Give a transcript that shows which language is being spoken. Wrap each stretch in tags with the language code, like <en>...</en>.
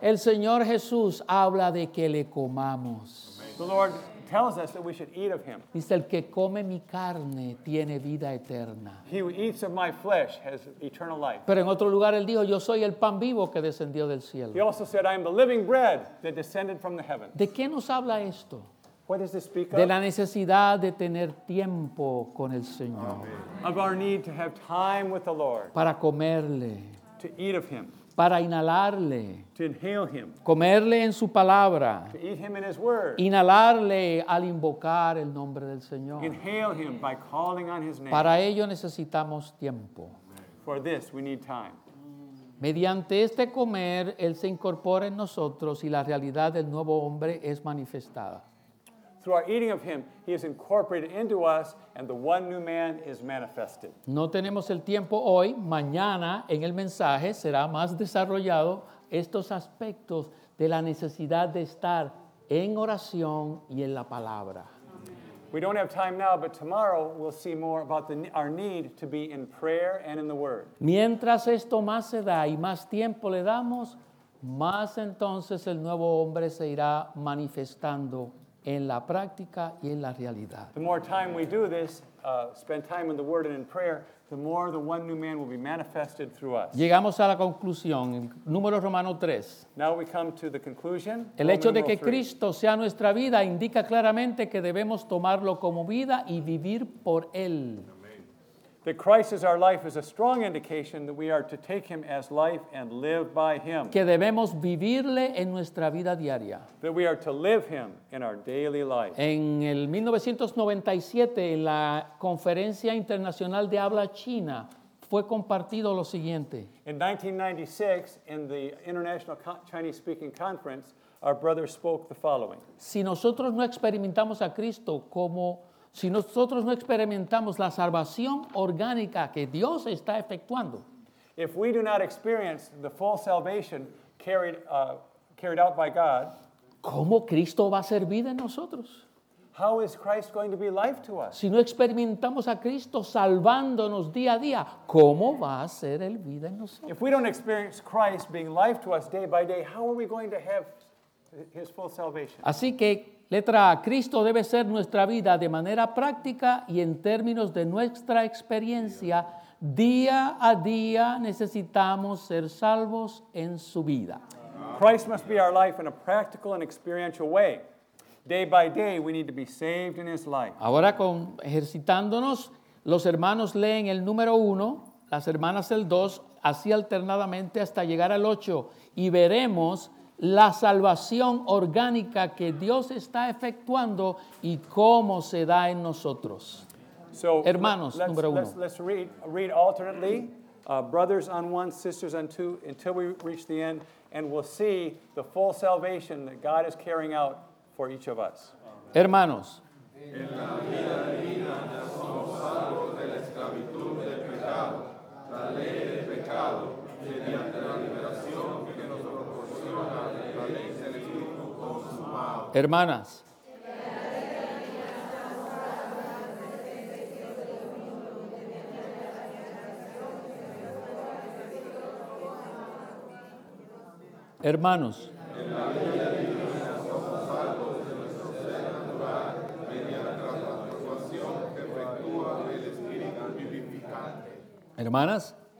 <es>El Señor Jesús habla de que le comamos.</es> <en>The Lord tells us that we should eat of him.</en> <es>Dice, el que come mi carne tiene vida eterna.</es> <en>He who eats of my flesh has eternal life.</en> <es>Pero en otro lugar él dijo, yo soy el pan vivo que descendió del cielo.</es> <en>He also said, I am the living bread that descended from the heavens.</en> <es>¿De qué nos habla esto?</es> <en>What does this speak of?</en> <es>De la necesidad de tener tiempo con el Señor.</es> <en>Amen. Of our need to have time with the Lord.</en> <es>Para comerle.</es> <en>To eat of him.</en> <es>Para inhalarle.</es> <en>To inhale him.</en> <es>Comerle en su palabra.</es> <en>To eat him in his word.</en> <es>Inhalarle al invocar el nombre del Señor.</es> <en>Inhale him by calling on his name.</en> <es>Para ello necesitamos tiempo.</es> <en>For this we need time.</en> <es>Mediante este comer, Él se incorpora en nosotros y la realidad del nuevo hombre es manifestada.</es> <en>Through our eating of Him, He is incorporated into us and the one new man is manifested.</en> <es>No tenemos el tiempo hoy. Mañana, en el mensaje, será más desarrollado estos aspectos de la necesidad de estar en oración y en la palabra.</es> <en>We don't have time now, but tomorrow we'll see more about our need to be in prayer and in the Word.</en> <es>Mientras esto más se da y más tiempo le damos, más entonces el nuevo hombre se irá manifestando en la práctica y en la realidad.</es> <en>The more time we do this, spend time in the Word and in prayer, the more the one new man will be manifested through us.</en> <es>Llegamos a la conclusión, número Romano 3.</es> <en>Now we come to the conclusion.</en> <es>El hecho de que Cristo sea nuestra vida indica claramente que debemos tomarlo como vida y vivir por Él.</es> <en>That Christ is our life is a strong indication that we are to take Him as life and live by Him.</en> <es>Que debemos vivirle en nuestra vida diaria.</es> <en>That we are to live Him in our daily life.</en> <es>En el 1997, en la Conferencia Internacional de Habla China, fue compartido lo siguiente.</es> <en>In 1996, in the International Chinese Speaking Conference, our brother spoke the following.</en> <es>Si nosotros no experimentamos a Cristo como Si nosotros no experimentamos la salvación orgánica que Dios está efectuando,</es> <en>if we do not experience the full salvation carried out by God,</en> <es>¿cómo Cristo va a ser vida en nosotros?</es> <en>How is Christ going to be life to us?</en> <es>Si no experimentamos a Cristo salvándonos día a día, ¿cómo va a ser el vida en nosotros?</es> <en>If we don't experience Christ being life to us day by day, how are we going to have His full salvation?</en> <es>Así que letra A, Cristo debe ser nuestra vida de manera práctica y en términos de nuestra experiencia, día a día necesitamos ser salvos en su vida.</es> <en>Christ must be our life in a practical and experiential way. Day by day we need to be saved in His life.</en> <es>Ahora con ejercitándonos, los hermanos leen el número 1, las hermanas el 2, así alternadamente hasta llegar al 8 y veremos la salvación orgánica que Dios está efectuando y cómo se da en nosotros.</es> <en>So,</en> <es>hermanos, número uno.</es> <en>Let's read alternately, brothers on one, sisters on two, until we reach the end, and we'll see the full salvation that God is carrying out for each of us.</en> <es>Hermanos. En la vida divina somos salvos de la esclavitud del pecado, la ley del pecado, mediante la liberación. Hermanas, hermanos, hermanas.</es>